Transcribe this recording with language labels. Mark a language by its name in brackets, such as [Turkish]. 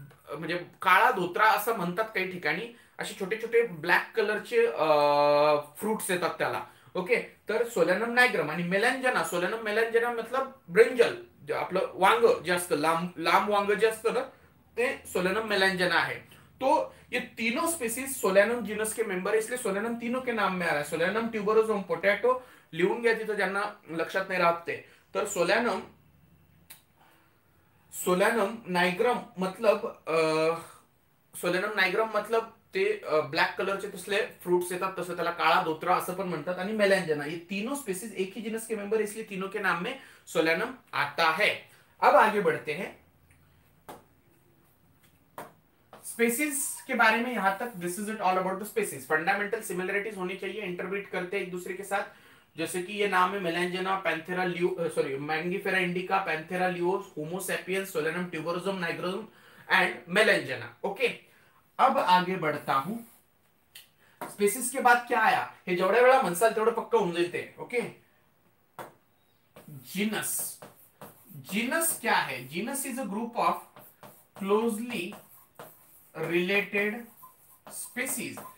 [Marathi] म्हणजे काळा धोत्रा असं म्हणतात काही ठिकाणी, असे छोटे छोटे ब्लॅक कलरचे फ्रुट्स येतात त्याला. ओके, तर सोलॅनम नायग्रम आणि मेलॅंजना, सोलॅनम मेलॅंजना मतलब ब्रिंजल, आपलं वांग जे असतं लांब लांब वांग जे असतं ना ते सोलॅनम मेलॅंजना आहे. [Hindi] तो ये तीनों स्पीसीज सोलॅनम जीनस के मेंबर है, इसलिए सोलॅनम तीनों के नाम में आ रहा है. [Marathi] सोलॅनम ट्यूबरोसम पोटैटो लिहून घ्या तिथं ज्यांना लक्षात नाही राहते. तर सोलॅनम सोलॅनम नायग्रम मतलब सोलॅनम नायग्रम मतलब ते ब्लॅक कलरचे तसले फ्रुट्स येतात तसं त्याला काळा धोत्रा असं पण म्हणतात. [Hindi] आणि मेलॅंजना, हे तीनों स्पीसीज एक ही जीनस के मेंबर इसलिए तीनों के नाम में सोलॅनम आता है. अब आगे बढ़ते हैं स्पेसिस के बारे में. यहां तक [English] This is it all about the species. [Hindi] Fundamental similarities होनी चाहिए, इंटरब्रीड करते हैं एक दूसरे के साथ. जैसे कि ये नाम है मेलेंजना Panthera leo, sorry Mangifera indica Panthera leo Homo sapiens Solanum tuberosum नाइग्रोसम and मेलेंजना. Okay, अब आगे बढ़ता हूं. स्पेसिस के बाद क्या आया, [Marathi] हे जेवढ्या वेळा म्हणसाल तेवढं पक्क होऊन जाईल ते. [English] Okay, genus. [Hindi] जीनस क्या है, [English] Genus is a group of closely related species.